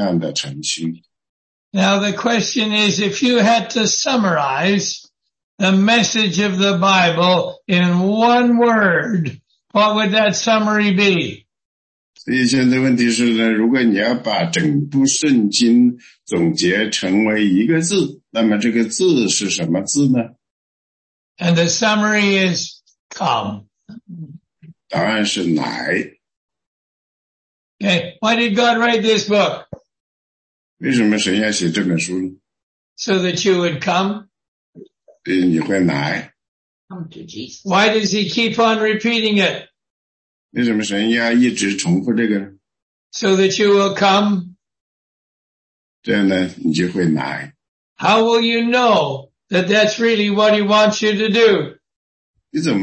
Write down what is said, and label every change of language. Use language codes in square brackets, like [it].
[zh] 主耶稣基督是那颗最亮的星，在佛教的时候，那颗星是最亮的，所以它会照亮呢整个世界。它是那个最明亮的晨星。Now [en] the question is, if you had to summarize the message of the Bible in one word, what would that summary be? [zh] 所以现在问题是呢，如果你要把整部圣经总结成为一个字，那么这个字是什么字呢？ [en] And the summary is come. [zh] 答案是来。 [en] Okay, why did God write this book? [zh] 为什么神要写这本书呢？ [en] So that you would come. [zh] 对，你会来。 [en] Come to Jesus. Why does he keep on repeating it? [zh] 为什么神要一直重复这个呢？ [en] So that you will come. [zh] 这样呢，你就会来。 [en] How will you know that that's really what he wants you to do?